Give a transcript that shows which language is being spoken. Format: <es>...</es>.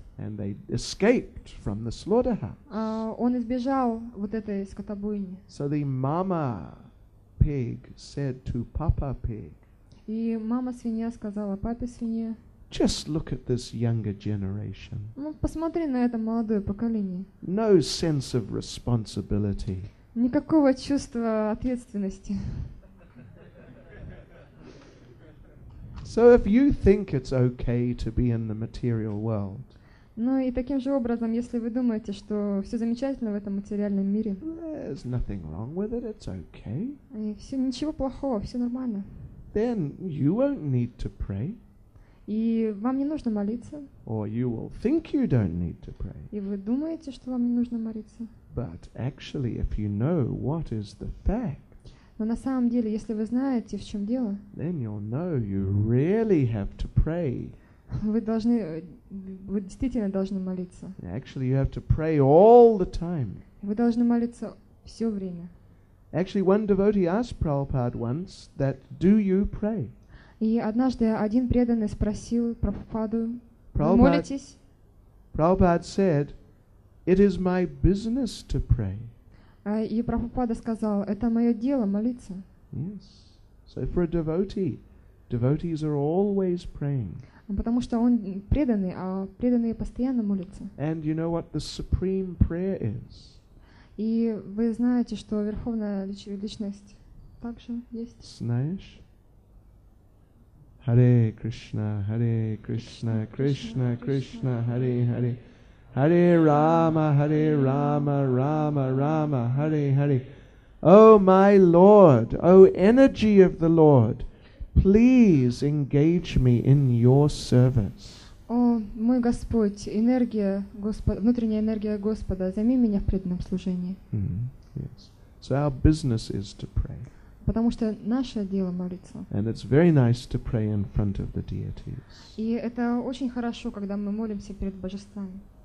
<en>And they escaped from the slaughterhouse.</en> <ru>Он избежал вот этой скотобойни.</ru> <en>So the mama pig said to papa pig.</en> <ru>И мама свинья сказала папе свинье.</ru> <en>Just look at this younger generation.</en> <ru>Ну посмотри на это молодое поколение.</ru> <en>No sense of responsibility.</en> <ru>Никакого чувства ответственности.</ru> <en>So if you think it's okay to be in the material world.</en> <ru>Ну и таким же образом, если вы думаете, что все замечательно в этом материальном мире.</ru> <en>There's nothing wrong with it, it's okay.</en> <ru>Ничего плохого, все нормально.</ru> <en>Then you won't need to pray.</en> <ru>И вам не нужно молиться.</ru> <en>Or you will think you don't need to pray.</en> <ru>И вы думаете, что вам не нужно молиться.</ru> <en>But actually, if you know what is the fact,</en> <ru>но на самом деле, если вы знаете, в чем дело,</ru> <en>then you'll know you really have to pray.</en> <ru>Вы действительно должны молиться.</ru> <en>Actually, you have to pray all the time.</en> <ru>Вы должны молиться все время.</ru> <en>Actually, one devotee asked Prabhupada once that, do you pray?</en> <ru>И однажды один преданный спросил Прабхупаду, молитесь?</ru> <en>Prabhupada said, it is my business to pray.</en> <ru>И Прабхупада сказал, это мое дело молиться.</ru> <en>Yes. So for a devotee, devotees are always praying.</en> <ru>Потому что он преданный, а преданные постоянно молятся.</ru> <en>And you know what the supreme prayer is?</en> <ru>И вы знаете, что верховная личность также есть. Знаешь?</ru> <sa>Hare Krishna, Hare Krishna, Krishna Krishna, Hare Hare. Hare Rama, Hare Rama, Rama Rama, Hare Hare.</sa> <en>O my Lord, O energy of the Lord, please engage me in your service.</en> <ru>О, мой Господь, энергия Господа, внутренняя энергия Господа, займи меня в преданном служении.</ru> <en>Yes. So our business is to pray.</en> <ru>Потому что наше дело молиться.</ru> <en>And it's very nice to pray in front of the deities.</en> <ru>И это очень хорошо, когда мы молимся перед божествами.</ru>